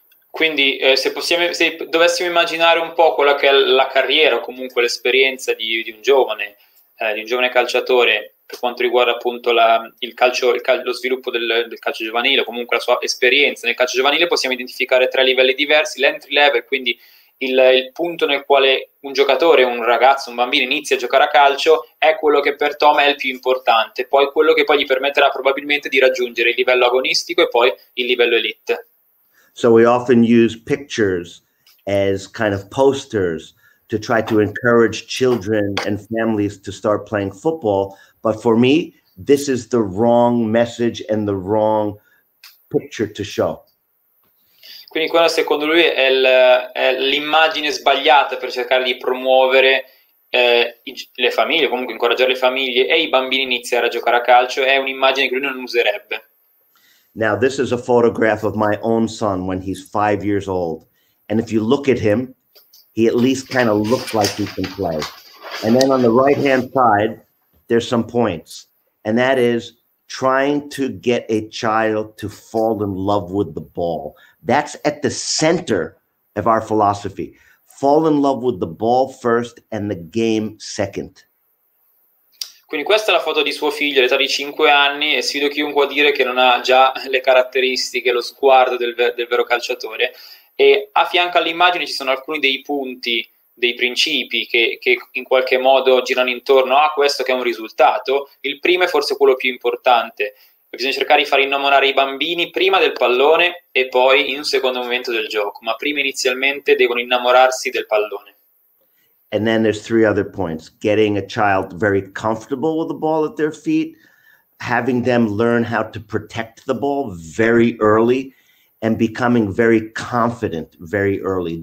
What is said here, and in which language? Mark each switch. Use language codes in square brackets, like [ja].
[it] Quindi se dovessimo immaginare un po' quella che è la carriera, o comunque l'esperienza di un giovane calciatore per quanto riguarda appunto lo sviluppo del calcio giovanile, o comunque la sua esperienza nel calcio giovanile, possiamo identificare tre livelli diversi: l'entry level, quindi il punto nel quale un giocatore, un ragazzo, un bambino inizia a giocare a calcio, è quello che per Tom è il più importante, poi quello che poi gli permetterà probabilmente di raggiungere il livello agonistico e poi il livello elite. [en] So we often use pictures as kind of posters to try to encourage children and families to start playing football, but for me this is the wrong message and the wrong picture to show. [it] Quindi quella secondo lui è l'immagine sbagliata per cercare di promuovere le famiglie, comunque incoraggiare le famiglie e i bambini iniziare a giocare a calcio, è un'immagine che lui non userebbe. [en] Now this is a photograph of my own son when he's 5 years old, and if you look at him, he at least kind of looks like he can play. And then on the right hand side, there's some points, and that is trying to get a child to fall in love with the ball. That's at the center of our philosophy. Fall in love with the ball first and the game second. [it] Quindi questa è la foto di suo figlio, all'età di 5 anni, e sfido chiunque a dire che non ha già le caratteristiche, lo sguardo del vero calciatore. E a fianco all'immagine ci sono alcuni dei punti, dei principi che in qualche modo girano intorno a questo, che è un risultato. Il primo è forse quello più importante, Bisogna cercare di far innamorare i bambini prima del pallone e poi in un secondo momento del gioco, ma prima inizialmente devono innamorarsi del pallone. [en] And then there's three other points: getting a child very comfortable with the ball at their feet, having them learn how to protect the ball very early, and becoming very confident very early.